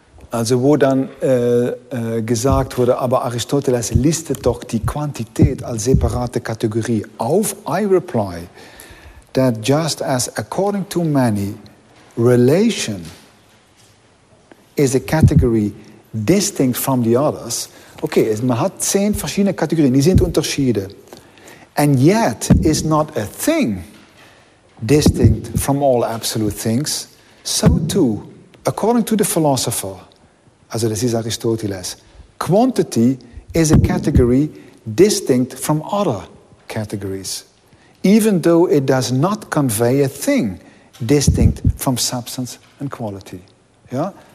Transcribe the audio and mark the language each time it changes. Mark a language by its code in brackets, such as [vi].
[de] Also wo dann gesagt wurde, aber Aristoteles listet doch die Quantität als separate Kategorie auf. [en] I reply that just as according to many, relation is a category distinct from the others. [de] Okay, man hat 10 verschiedene Kategorien, die sind Unterschiede. [en] And yet is not a thing distinct from all absolute things. So too, according to the philosopher, [de] also das ist Aristoteles, [en] quantity is a category distinct from other categories, even though it does not convey a thing distinct from substance and quality. [de] Ja?